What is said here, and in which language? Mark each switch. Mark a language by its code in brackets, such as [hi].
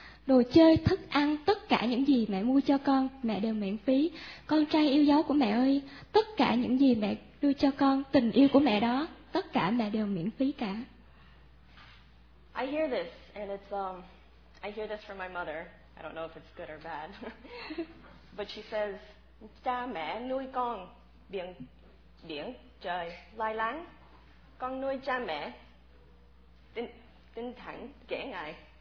[vi] Đồ chơi, thức ăn, tất cả những gì mẹ mua cho con, mẹ đều miễn phí. Con trai yêu dấu của mẹ ơi, tất cả những gì mẹ đưa cho con, tình yêu của mẹ đó, tất cả mẹ đều miễn phí cả. [en] I hear this and it's I hear this from my mother. I don't know if it's good or bad. But she says, [vi] cha mẹ nuôi con, biển trời lai láng, con nuôi cha mẹ tinh thẳng kẻ ngại.